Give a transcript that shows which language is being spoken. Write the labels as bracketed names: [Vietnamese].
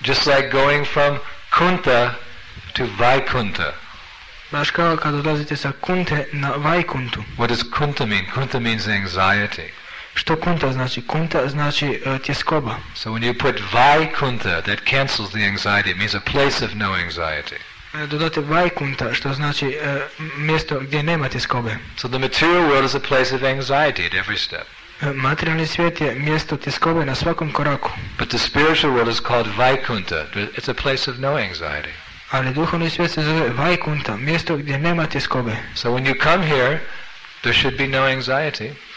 [English] Just like going from Kunta to Vaikunta. [Croatian] Baš kao kad odlazite sa Kunte na Vaikuntu. [English] What does Kunta mean? Kunta means anxiety. [Croatian] Što Kunta znači? Kunta znači tjeskoba. [English] So when you put Vaikunta, that cancels the anxiety. It means a place of no anxiety. [Croatian] Dodate Vaikunta, što znači mjesto gdje nema tjeskobe. [English] So the material world is a place of anxiety at every step. [Croatian] Materijalni svijet je mjesto tjeskobe na svakom koraku. [English] But the spiritual world is called Vaikunta. It's a place of no anxiety. [Croatian] Ali duhovni svijet se zove Vaikunta, mjesto gdje nema tjeskobe. [English] So when you come here, there should be no anxiety.